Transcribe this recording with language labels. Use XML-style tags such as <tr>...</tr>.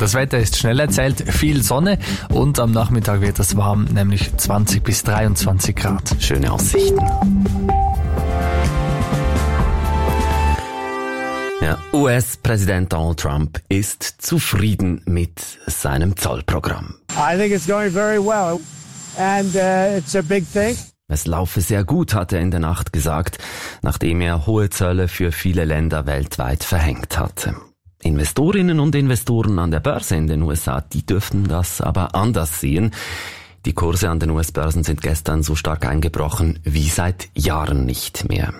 <de>Das Wetter ist schnell erzählt. Viel Sonne und am Nachmittag wird es warm, nämlich 20 bis 23 Grad. Schöne Aussichten. Ja, US-Präsident Donald Trump ist zufrieden mit seinem Zollprogramm.</de> <en>I think it's going very well and it's a big thing.</en> <de>Es laufe sehr gut, hat er in der Nacht gesagt, nachdem er hohe Zölle für viele Länder weltweit verhängt hatte. Investorinnen und Investoren an der Börse in den USA, die dürften das aber anders sehen. Die Kurse an den US-Börsen sind gestern so stark eingebrochen wie seit Jahren nicht mehr.</de>